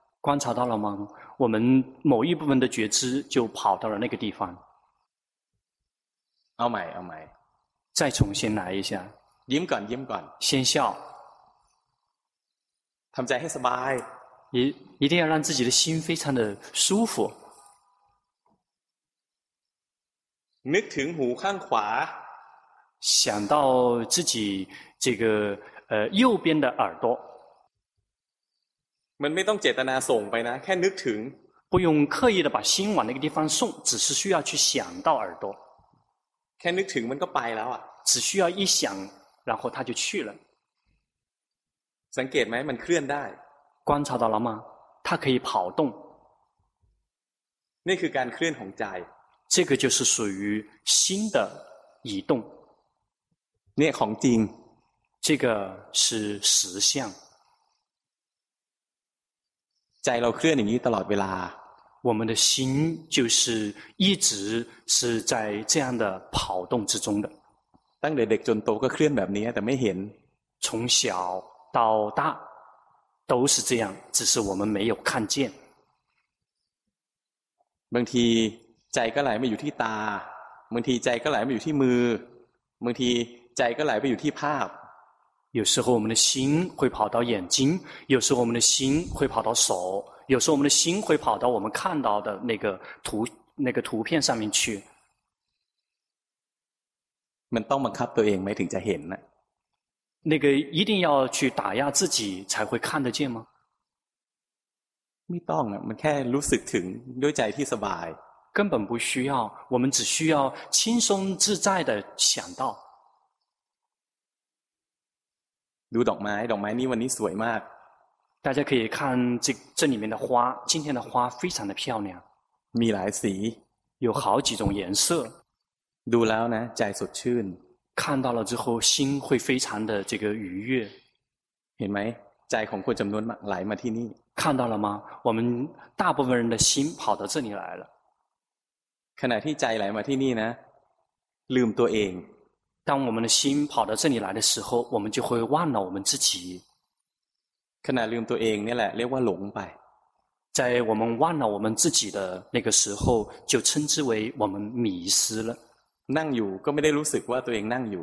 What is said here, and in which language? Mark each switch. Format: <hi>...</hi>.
<zh>观察到了吗我们某一部分的觉知就跑到了那个地方</zh> <th>เอาใหม่เอาใหม่</th> <zh>再重新来一下</zh> <th>ยิ้มก่อนยิ้มก่อน</th> <zh>先笑</zh> <th>ทำใจให้สบาย</th> <zh>一定要让自己的心非常的舒服</zh> <th>นึกถึงหูข้างขวา</th> <zh>想到自己这个右边的耳朵</zh> <th>มันไม่ต้องเจตนาส่งไปนะแค่นึกถึง</th> <zh>不用刻意的把心往那个地方送只是需要去想到耳朵</zh> <th>แค่นึกถึงมันก็ไปแล้วอ่ะ</th> <zh>只需要一想然后它就去了</zh> <th>สังเกตไหมมันเคลื่อนได้</th> <zh>观察到了吗它可以跑动</zh> <th>นี่คือการเคลื่อนของใจ</th> <zh>这个就是属于心的移动</zh> <th>นี่ของจริง</th> <zh>这个是实相</zh> <th>ใจเราเคลื่อนอย่างนี้ตลอดเวลา</th> <zh>我们的心就是一直是在这样的跑动之中的</zh> <th>ตั้งแต่เด็กจนโตก็เคลื่อนแบบนี้แต่ไม่เห็น</th> <zh>从小到大都是这样只是我们没有看见</zh> <th>บางทีใจก็ไหลมาอยู่ที่ตาบางทีใจก็ไหลมาอยู่ที่มือบางทีใจก็ไหลไปอยู่ที่ภาพ</th> <zh>有时候我们的心会跑到眼睛有时候我们的心会跑到手有时候我们的心会跑到我们看到的那个图片上面去</zh> <th>มันต้องบังคับตัวเองไหมถึงจะเห็น</th> <zh>นะ那个一定要去打压自己才会看得见吗</zh> <th>ไม่ต้องมันแค่รู้สึกถึงด้วยใจที่สบาย</th> <zh>根本不需要我们只需要轻松自在的想到</zh> <th>ดูดอกไม้ดอกไม้นี้วันนี้สวยมาก</th> <zh>大家可以看这里面的花今天的花非常的漂亮</zh> <th>มีหลายสี</th> <zh>有好几种颜色</zh> <th>ดูแล้วนะใจสดชื่น</th> <zh>看到了之后心会非常的这个愉悦</zh> <th>เห็นไหมใจของคนจำนวนมากไหลมาที่นี่</th> <zh>看到了吗我们大部分人的心跑到这里来了</zh> <th>ขณะที่ใจไหลมาที่นี่นะลืมตัวเอง</th> <zh>当我们的心跑到这里来的时候我们就会忘了我们自己</zh> <th>ขณะลืมตัวเองนี่แหละเรียกว่าหลงไป</th> <zh>在我们忘了我们自己的那个时候就称之为我们迷失了</zh> <th>นั่งอยู่ก็ไม่ได้รู้สึกว่าตัวเองนั่งอยู</th>